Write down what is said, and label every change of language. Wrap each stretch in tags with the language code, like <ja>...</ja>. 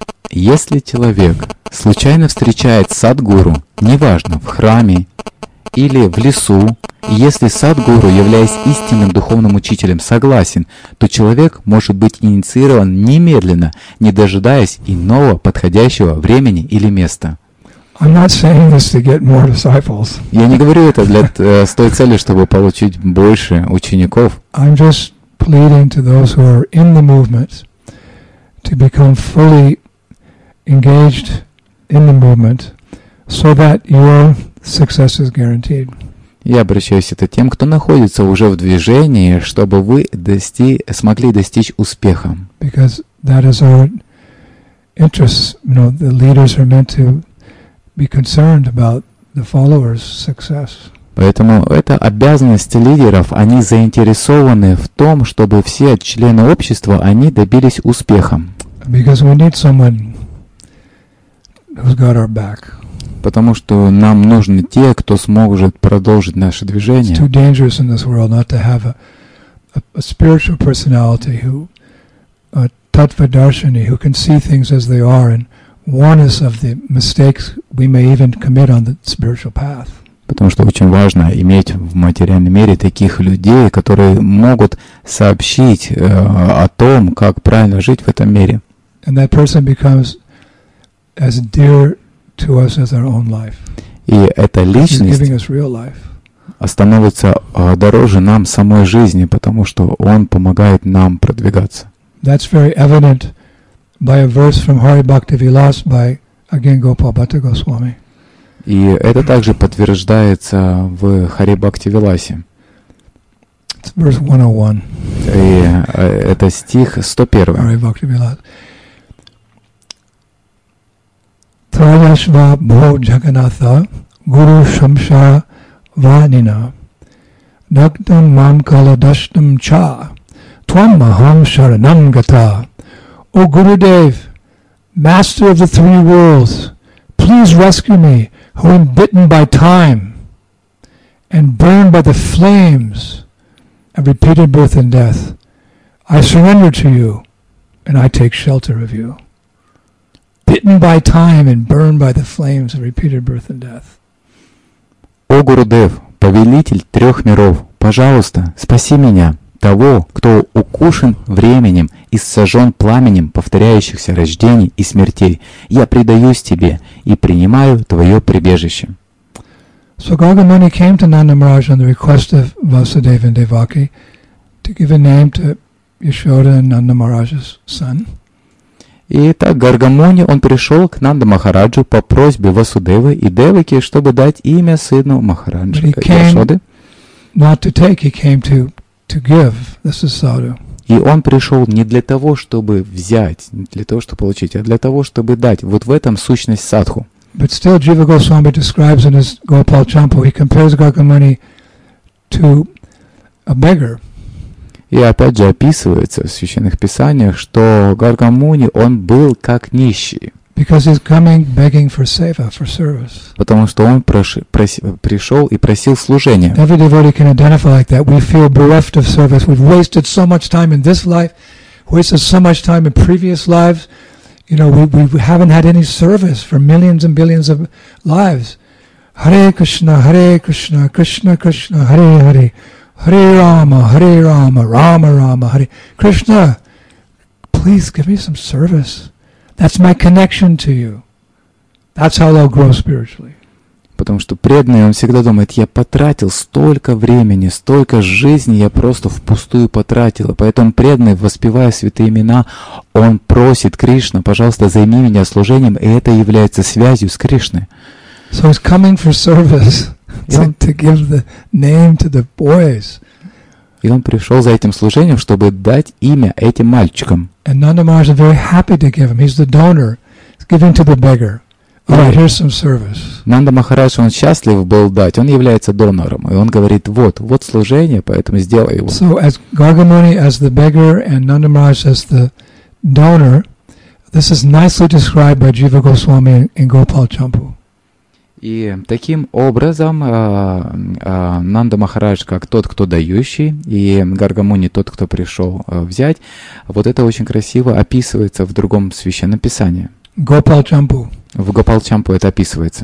<ru>Если человек случайно встречает садгуру, неважно, в храме или в лесу, и если садгуру, являясь истинным духовным учителем, согласен, то человек может быть инициирован немедленно, не дожидаясь иного подходящего времени или места.</ru> <en>I'm not saying this to get more disciples.</en> <ru>Я не говорю это для с той цели, чтобы получить больше учеников.</ru> <en>I'm just pleading to those who are in the movement to become fully engaged in the movement so that your success is guaranteed.</en> <ru>Я обращаюсь это тем, кто находится уже в движении, чтобы вы смогли достичь успеха.</ru> <en>Because that is our interest. You know, the leaders are meant to be concerned about the followers' success.</en> <ru>Поэтому это обязанность лидеров. Они заинтересованы в том, чтобы все члены общества они добились успеха.</ru> <en>Because we need someone who's got our back.</en> <ru>Потому что нам нужны те, кто сможет продолжить наше движение.</ru> <en>It's too dangerous in this world not to have a spiritual personality who a tattva darshini who can see things as they are and warn us of the mistakes we may even commit on the spiritual path.</en> <ru>Потому что очень важно иметь в материальном мире таких людей, которые могут сообщить о том, как правильно жить в этом мире.</ru> <en>And that person becomes as dear to us as our own life.</en> <ru>И эта личность</ru> <en>giving us real life.</en> <ru>Становится дороже нам самой жизни, потому что он помогает нам продвигаться.</ru> <en>That's very evident by a verse from Hari Bhakti Vilas by Ajahn Gopal Bhatta Goswami.</en> <ru>И это также подтверждается в Хари Бхакти Виласе.</ru> <en>It's verse 101.</en> <ru>И это стих 101.</ru> <en>Hari Bhakti Vilas.</en> <sa>Trayashva bho jagannatha guru shamsha vanina naktam mam kala dashtam cha tvam maham sharanam gata.</sa> <en>O Gurudev, master of the three worlds, please rescue me who am bitten by time and burned by the flames of repeated birth and death. I surrender to you and I take shelter of you. Bitten by time and burned by the flames of repeated birth and death.</en> <ru>О Гурудев, повелитель трех миров, пожалуйста, спаси меня, того, кто укушен временем и сожжен пламенем повторяющихся рождений и смертей. Я предаюсь тебе и принимаю твое прибежище.</ru> <en>So Gauga Muni came to Nanda Maharaj on the request of Vasudeva and Devaki to give a name to Yashoda and Nanda Maharaj's son.</en> <ru>И так Гаргамуни, он пришел к Нанда Махараджу по просьбе Васудевы и Девыки, чтобы дать имя сыну Махараджи Яшоды.</ru> <en>Not to take, he came to give. This is sadhu.</en> <ru>И он пришел не для того, чтобы взять, не для того, чтобы получить, а для того, чтобы дать. Вот в этом сущность садху.</ru> <en>But still, Jiva Goswami describes in his Gopal Champo, he compares Gargamuni to a beggar.</en> <ru>И опять же описывается в священных писаниях, что Гаргамуни, он был как нищий.</ru> <en>Because he's coming begging for seva, for service.</en> <ru>Потому что он пришел и просил служения.</ru> <en>Every devotee can identify like that. We feel bereft of service. We've wasted so much time in this life, wasted so much time in previous lives. You know, we haven't had any service for millions and billions of lives. Hare Krishna, Hare Krishna, Krishna Krishna, Hare Hare, Hare Rama, Hare Rama, Rama Rama, Hare Krishna, please give me some service. That's my connection to you. That's how they'll grow spiritually.</en> <ru>Потому что преданный, он всегда думает, я потратил столько времени, столько жизни, я просто впустую потратил. Поэтому преданный, воспевая святые имена, он просит Кришну, пожалуйста, займи меня служением, и это является связью с Кришной.</ru> <en>So he's coming for service, to give the name to the boys.</en> <ru>И он пришел за этим служением, чтобы дать имя этим мальчикам.</ru> <en>And Nanda Maharaj is very happy to give him. He's the donor. He's giving to the beggar. Right, here's some service.</en> <ru>Нанда Махарадж, он счастлив был дать. Он является донором, и он говорит: вот, вот служение, поэтому сделай его.</ru> <en>So as Gargamuni as the beggar and Nanda Maharaj as the donor, this is nicely described by Jiva Goswami in Gopal Champu.</en> <ru>И таким образом Нанда Махарадж как тот, кто дающий, и Гаргамуни тот, кто пришел взять. Вот это очень красиво описывается в другом священном писании.</ru> <en>Gopal Champu.</en> <ru>В Гопал Чампу это описывается.</ru>